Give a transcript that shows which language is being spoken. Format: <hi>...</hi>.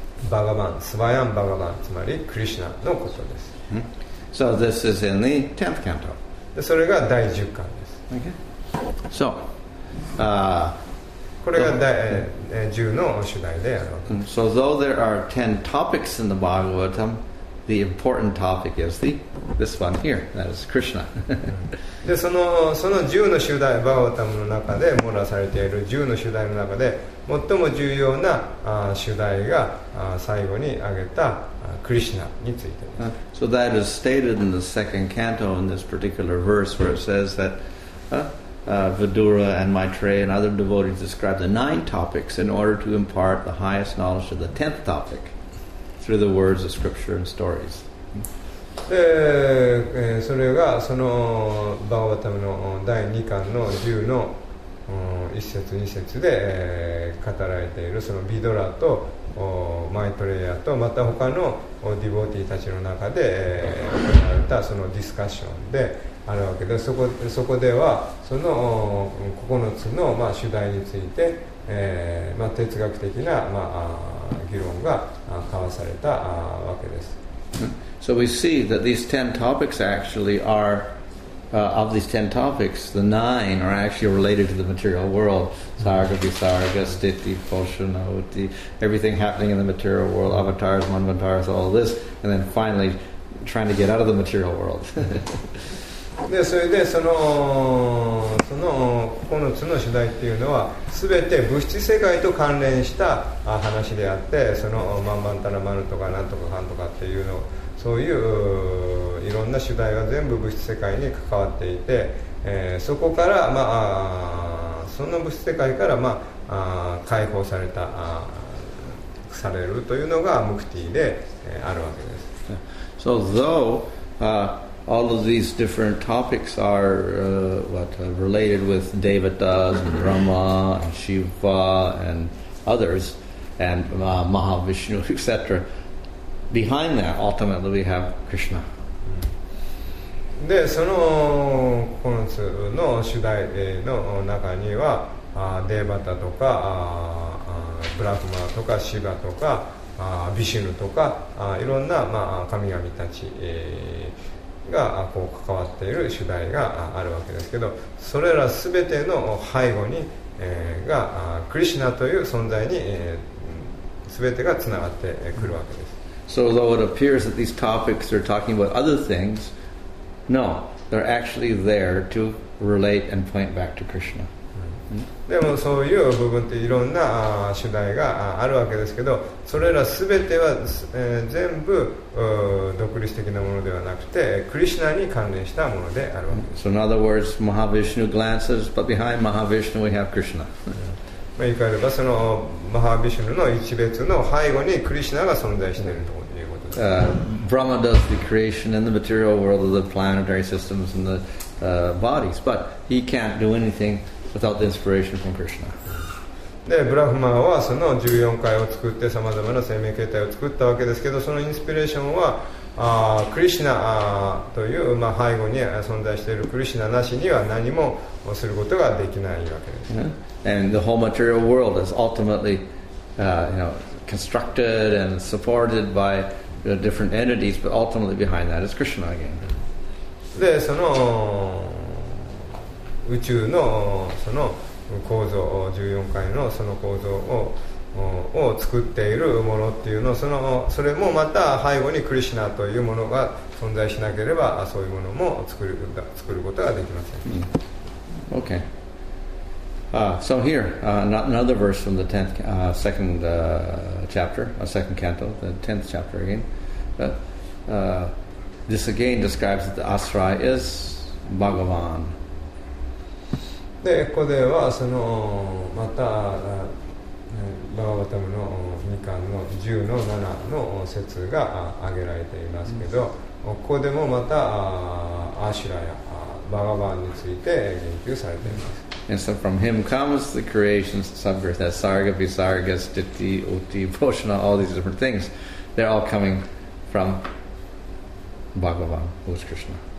<ja>バガバン、スワヤンバガバン、つまりクリシナのことです。</ja> <en>So this is in the 10th canto.</en> <ja>それが第10巻です。</ja> <en>So,</en> <ja>これが第10の主題であろう。</ja> <en>So though there are 10 topics in the Bhagavatam, the important topic is the, this one here, that is Krishna.</en> <ja>で、その10の主題、バガバタムの中で網羅されている10の主題の中で、最も重要な主題が最後に挙げたクリシナについてです。</ja> <en>So that is stated in the second canto in this particular verse where it says that Vidura and Maitreya and other devotees describe the 9 topics in order to impart the highest knowledge of the 10th topic through the words of scripture and stories.</en> <ja>で、それがそのバガヴァタムの第2巻の10の一節二節で語られているそのビドラとマイトレイヤとまた他のディボーティーたちの中で行われたそのディスカッションであるわけで、そこではその9つの主題について哲学的な議論が交わされたわけです。</ja> <en>So we see that these 10 topics actually areOf these 10 topics, the 9 are actually related to the material world. Sarga, Visarga, Stiti, Poshanavati, everything happening in the material world, avatars, manvantaras, all this, and then finally trying to get out of the material world.</en> <ja>で、それでその9つの主題っていうのは全て物質世界と関連した話であって、そのマンバンタラマルとかなんとかかんとかっていうのを、そういういろんな主題が全部物質世界に関わっていて、そこから、その物質世界から、解放されたされるというのがムクティで、あるわけです。</ja> <en>So though all of these different topics are related with devatas, Brahma, and Shiva and others and Mahavishnu, etc. Behind that, ultimately, we have Krishna.</en> <ja>で、その九つの主題の中には、デーバタとか、ブラフマとか、シバとか、ビシュヌとか、いろんな神々たち、がこう関わっている主題があるわけですけど、それらすべての背後に、がクリシナという存在に、すべてがつながってくるわけです。</ja> <en>So though it appears that these topics are talking about other things, no, they're actually there to relate and point back to Krishna.</en> <ja>でもそういう部分っていろんな主題があるわけですけど、それらすべては全部独立的なものではなくて、クリシナに関連したものであるわけです。</ja> <en>So in other words, Mahavishnu glances, but behind Mahavishnu we have Krishna.</en> <ja>まあ、言い換えればそのマハビシュヌの一別の背後にクリシナが存在しているということです。</ja> <en>Brahma does the creation in the material world of the planetary systems and the bodies, but he can't do anything without the inspiration from Krishna.</en> <ja>で、ブラフマはその14回を作ってさまざまな生命形態を作ったわけですけど、そのインスピレーションはクリシナという、背後に存在しているクリシナなしには何もすることができないわけです。</ja> <en>And the whole material world is ultimately, constructed and supported by the different entities, but ultimately behind that is Krishna again.</en> <ja>で、その宇宙のその構造、14回のその構造を作っているものっていうの、それもまた背後にクリシナというものが存在しなければ、そういうものも作ることができません。</ja> <en>Okay. So here, another verse from the tenth, second chapter, a second canto, the 10th chapter again. This again describes that the Asura is Bhagavan.</en> <ja>で、ここではそのまた、バガヴァタムの2巻の10の7の節が挙げられていますけど、ここでもまたアシュラやバガヴァンについて言及されています。</ja> <en>And so from him comes the creations, subgrowth, sarga, visarga, stiti, uti, poshana, all these different things. They're all coming from Bhagavan, who is Krishna.</en>